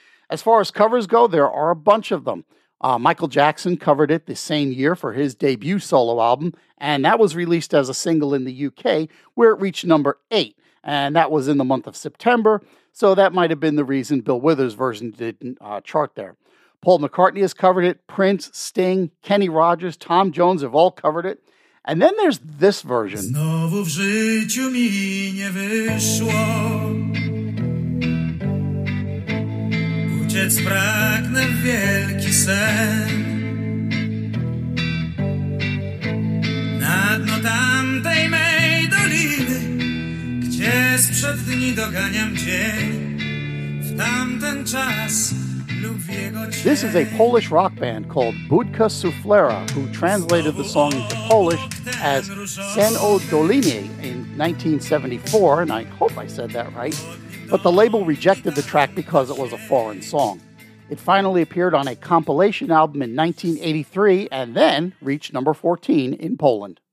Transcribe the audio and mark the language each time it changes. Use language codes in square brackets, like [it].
[en] As far as covers go, there are a bunch of them. Michael Jackson covered it the same year for his debut solo album, and that was released as a single in the UK, where it reached number 8, and that was in the month of September, so that might have been the reason Bill Withers' version didn't chart there. Paul McCartney has covered it, Prince, Sting, Kenny Rogers, Tom Jones have all covered it, and then there's this version. [pl] Znowu w życiu mi nie wyszło. Uciec pragnę w wielki sen. Na dno tamtej mej doliny, gdzie sprzed dni doganiam dzień. W tamten czas lub w jego cień. [en] This is a Polish rock band called Budka Suflera, who translated the song into Polish as Sen o Dolinie in 1974, and I hope I said that right. But the label rejected the track because it was a foreign song. It finally appeared on a compilation album in 1983 and then reached number 14 in Poland.